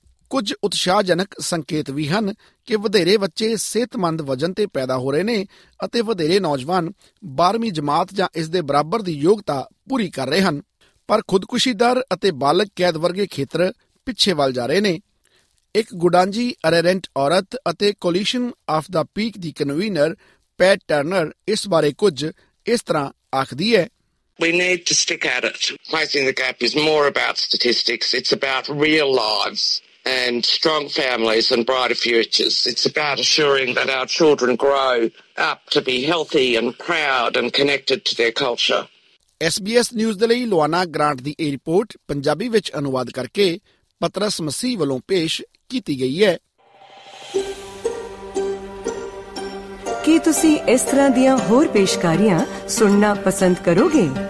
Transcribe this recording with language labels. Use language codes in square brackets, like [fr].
[pa] ਕੁਝ ਉਤਸ਼ਾਹਜਨਕ ਸੰਕੇਤ ਵੀ ਹਨ ਕਿ ਵਧੇਰੇ ਬੱਚੇ ਸਿਹਤਮੰਦ ਵਜਨ ਤੇ ਪੈਦਾ ਹੋ ਰਹੇ ਨੇ ਅਤੇ ਵਧੇਰੇ ਨੌਜਵਾਨ 12ਵੀਂ ਜਮਾਤ ਜਾਂ ਇਸ ਦੇ ਬਰਾਬਰ ਦੀ ਯੋਗਤਾ ਪੂਰੀ ਕਰ ਰਹੇ ਹਨ, ਪਰ ਖੁਦਕੁਸ਼ੀ ਦਰ ਅਤੇ ਬਾਲਗ ਕੈਦ ਵਰਗੇ ਖੇਤਰ ਪਿੱਛੇ ਵੱਲ ਜਾ ਰਹੇ ਨੇ। ਇਕ ਗੁਡਾਂਜੀ ਅਰੇਰੈਂਟ ਔਰਤ ਅਤੇ coalition of ਦਾ peak ਦੀ convener pet turner ਇਸ ਬਾਰੇ ਕੁਝ ਇਸ ਤਰ੍ਹਾਂ ਆਖਦੀ ਹੈ। [en] We need to stick at it. Closing the gap is more about statistics. It's about real lives and strong families and brighter futures. It's about assuring that our children grow up to be healthy and proud and connected to their culture. [pa] SBS News ਦੇ ਲਈ ਲੁਆਨਾ grant ਦੀ ਇਹ report Punjabi ਵਿੱਚ ਅਨੁਵਾਦ ਕਰਕੇ ਪਤਰਸ ਮਸੀਹ ਵੱਲੋਂ ਪੇਸ਼ ਕੀਤੀ ਗਈ ਹੈ। ਕੀ ਤੁਸੀਂ ਇਸ ਤਰ੍ਹਾਂ ਦੀਆਂ ਹੋਰ ਪੇਸ਼ਕਾਰੀਆਂ ਸੁਣਨਾ ਪਸੰਦ ਕਰੋਗੇ?